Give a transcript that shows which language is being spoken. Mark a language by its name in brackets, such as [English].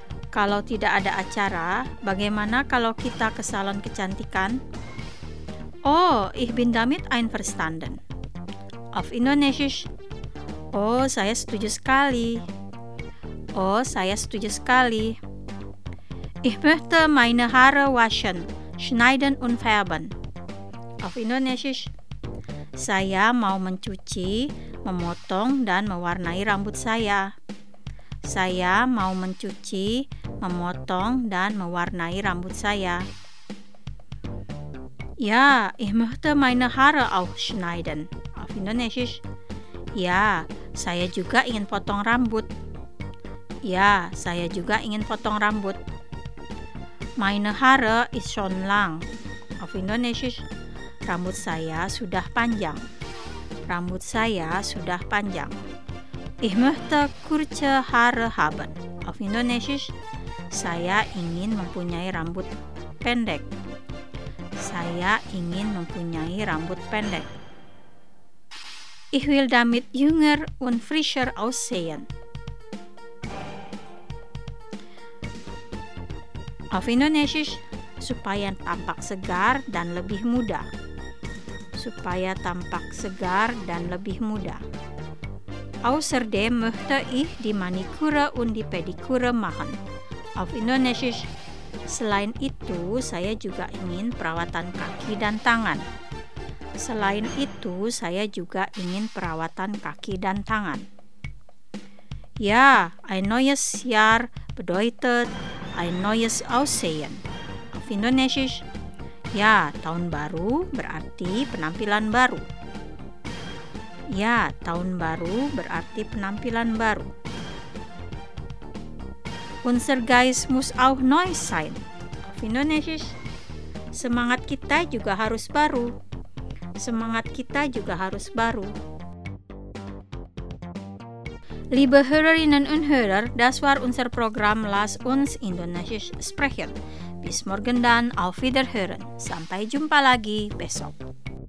[Indonesian] kalau tidak ada acara, bagaimana kalau kita ke salon kecantikan? [German] Oh, ich bin damit einverstanden. Auf Indonesisch. [Indonesian] Oh, saya setuju sekali. Oh, saya setuju sekali. [German] Ich möchte meine Haare waschen, schneiden und färben. Auf Indonesisch. [Indonesian] Saya mau mencuci, memotong, dan mewarnai rambut saya. Saya mau mencuci, memotong, dan mewarnai rambut saya. [German] Ja, ich möchte meine Haare auch schneiden. Auf Indonesisch. [Indonesian] Ja, saya juga ingin potong rambut. Ja, saya juga ingin potong rambut. [German] Meine Haare ist schon lang. Auf Indonesisch. [Indonesian] Rambut saya sudah panjang. Rambut saya sudah panjang. [German] Ich möchte kurze Haare haben. Auf Indonesisch. [Indonesian] Saya ingin mempunyai rambut pendek. Saya ingin mempunyai rambut pendek. [German] Ich will damit jünger und frischer aussehen. Auf Indonesisch. [Indonesian] Supaya tampak segar dan lebih muda. Supaya tampak segar dan lebih muda. [German] Außerdem möchte ich die Maniküre und die Pediküre machen. Auf Indonesisch. [Indonesian] Selain itu, saya juga ingin perawatan kaki dan tangan. Selain itu, saya juga ingin perawatan kaki dan tangan. [German] Ja, ein neues Jahr bedeutet ein neues Aussehen. Auf Indonesisch. [Indonesian] Ja, tahun baru berarti penampilan baru. Ja, tahun baru berarti penampilan baru. [German] Unser Geist muss auch neu sein. Auf Indonesisch. [Indonesian] Semangat kita juga harus baru. Semangat kita juga harus baru. [German] Liebe Hörerinnen und Hörer, das war unser Programm Lass uns Indonesisch sprechen. Bis morgen dann, auf Wiederhören. [Indonesian] Sampai jumpa lagi besok.